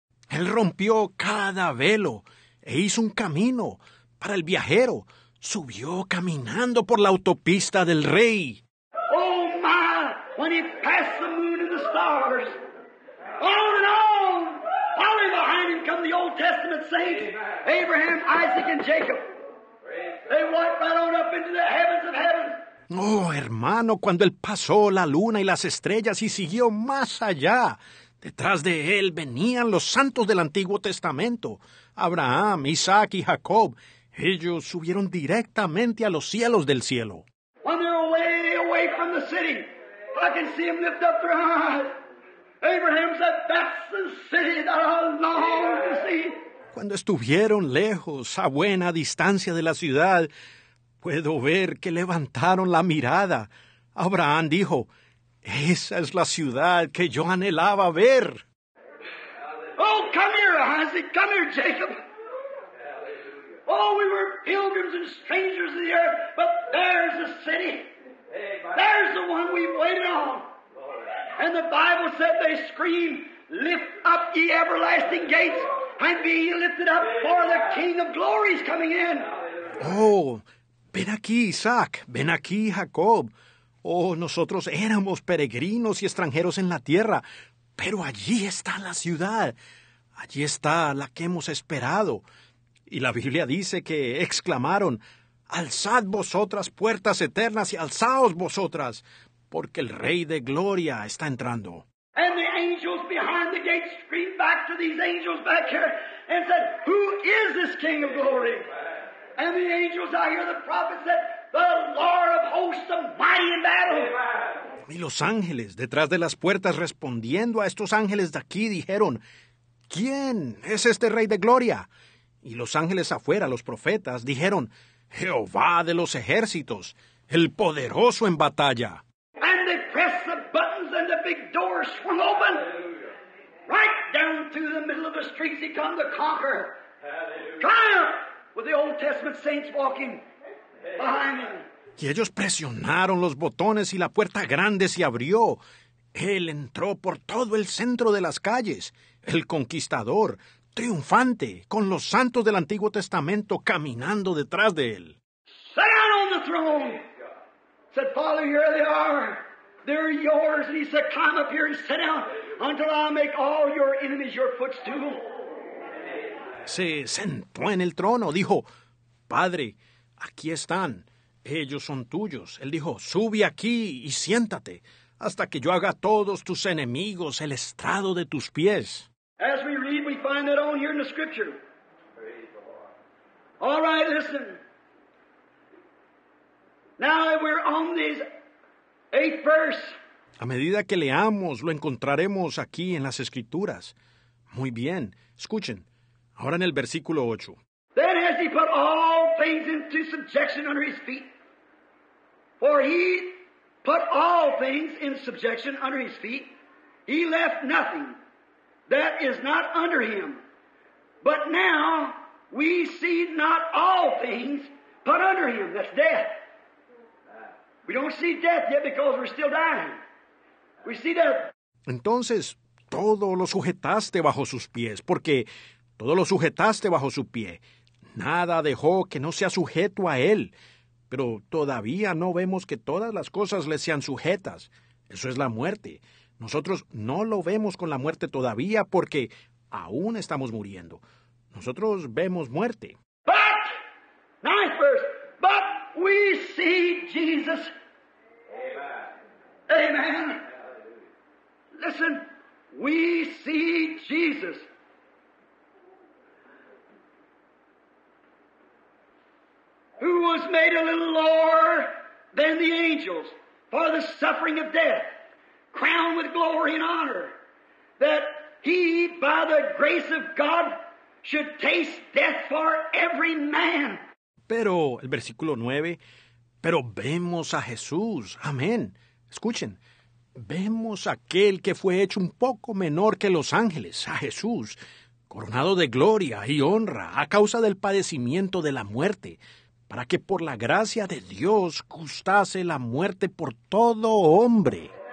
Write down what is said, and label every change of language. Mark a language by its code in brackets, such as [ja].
[es] Él rompió cada velo e hizo un camino para el viajero. Subió caminando por la autopista del rey. [en] Oh, my, when he passed the moon and the stars, on and on, following behind him come the Old Testament saints, Abraham, Isaac, and Jacob. They walked right on up into the heavens of heaven. [es] Oh, hermano, cuando él pasó la luna y las estrellas y siguió más allá, detrás de él venían los santos del Antiguo Testamento, Abraham, Isaac y Jacob. Ellos subieron directamente a los cielos del cielo. [en] When they're away from the city, I can see them lift up their eyes. Abraham said, that's the city that I long to see. [es] Cuando estuvieron lejos, a buena distancia de la ciudad, puedo ver que levantaron la mirada. Abraham dijo, esa es la ciudad que yo anhelaba ver. [en] Oh, come here, Isaac. Come here, Jacob. Oh, we were pilgrims and strangers in the earth, but there's the city. There's the one we've waited on. And the Bible said they scream, lift up ye everlasting gates, and be ye lifted up, for the King of Glory is coming in. [es] Oh, ven aquí, Isaac. Ven aquí, Jacob. Oh, nosotros éramos peregrinos y extranjeros en la tierra, pero allí está la ciudad. Allí está la que hemos esperado. Y la Biblia dice que exclamaron, alzad vosotras puertas eternas y alzaos vosotras, porque el Rey de Gloria está entrando. [en] And the angels behind the gate screamed back to these angels back here and said, who is this King of Glory? And the angels, I hear the prophet said, the Lord of hosts, the mighty in battle. [es] Y los ángeles detrás de las puertas respondiendo a estos ángeles de aquí dijeron, ¿quién es este Rey de Gloria? Y los ángeles afuera, los profetas, dijeron, Jehová de los ejércitos, el poderoso en batalla. [en] And they pressed the buttons and the big door swung open. Right down through the middle of the streets he come to conquer. Triumph! With the Old Testament saints walking behind him. [es] Y ellos presionaron los botones y la puerta grande se abrió. Él entró por todo el centro de las calles. El conquistador, triunfante, con los santos del Antiguo Testamento caminando detrás de él. [en] Sit down on the throne. Said, Father, here they are. They're yours. And he said, climb up here and sit down until I make all your enemies your footstool. [es] Se sentó en el trono. Dijo, Padre, aquí están. Ellos son tuyos. Él dijo, sube aquí y siéntate hasta que yo haga a todos tus enemigos el estrado de tus pies. [en] As we read, we find that on here in the scripture. All right, listen. Now that we're on this eighth verse. [es] A medida que leamos, lo encontraremos aquí en las escrituras. Muy bien. Escuchen. Ahora en el versículo 8. [en] Then has he put all things into subjection under his feet. For he put all things in subjection under his feet. He left nothing that is not under him. But now we see not all things put under him. That's death. We don't see death yet because we're still dying. We see death. [es] Entonces, todo lo sujetaste bajo sus pies, porque todo lo sujetaste bajo su pie. Nada dejó que no sea sujeto a él. Pero todavía no vemos que todas las cosas le sean sujetas. Eso es la muerte. Nosotros no lo vemos con la muerte todavía porque aún estamos muriendo. Nosotros vemos muerte. [en] But, ninth verse, but we see Jesus. Amen. Amen. Listen, we see Jesus. Who was made a little lower than the angels for the suffering of death, crowned with glory and honor, that he, by the grace of God, should taste death for every man. [es] Pero, el versículo 9, pero vemos a Jesús, amén. Escuchen, vemos a aquel que fue hecho un poco menor que los ángeles, a Jesús, coronado de gloria y honra a causa del padecimiento de la muerte, para que por la gracia de Dios gustase la muerte por todo hombre.